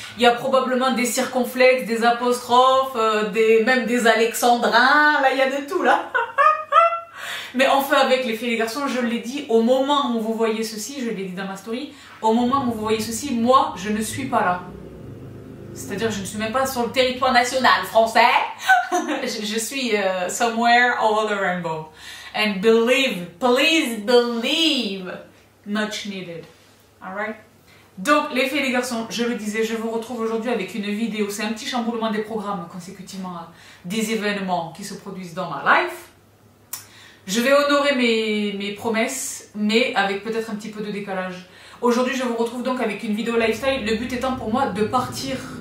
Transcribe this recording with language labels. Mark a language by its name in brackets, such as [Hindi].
[French] Il y a probablement des circonflexes, des apostrophes, même des alexandrins, là, il y a de tout, là. Mais on fait avec, les filles et les garçons, je l'ai dit, au moment où vous voyez ceci, je l'ai dit dans ma story, au moment où vous voyez ceci, moi, je ne suis pas là. C'est-à-dire, je ne suis même pas sur le territoire national français. Je suis [English] somewhere over the rainbow. And believe, please believe, much needed. Alright? [French] Donc, les filles et les garçons, je le disais, je vous retrouve aujourd'hui avec une vidéo. C'est un petit chamboulement des programmes consécutivement à des événements qui se produisent dans ma life. Je vais honorer mes promesses, mais avec peut-être un petit peu de décalage. Aujourd'hui, je vous retrouve donc avec une vidéo lifestyle. Le but étant pour moi de partir...